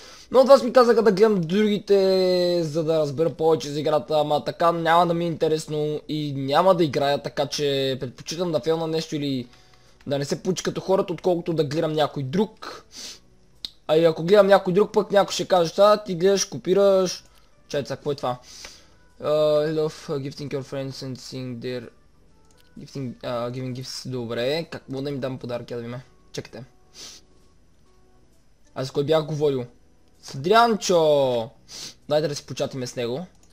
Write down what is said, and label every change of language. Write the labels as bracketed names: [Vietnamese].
[Bulgarian] Но от вас ми казаха да гледам другите, за да разбера повече за играта, ама така няма да ми е интересно и няма да играя, така че предпочитам да фейлна нещо или да не се получи като хората, отколкото да гледам някой друг. А и ако гледам някой друг, пък някой ще каже, а ти гледаш, копираш. Чай, какво е това? [English] Hello, gifting your friends and seeing their gifting, giving gifts. [Bulgarian] Добре, какво да им дам подарки, да ви ме? Чекайте. Аз кой бях говорил? С Дрянчо! Дайте да си початиме с него.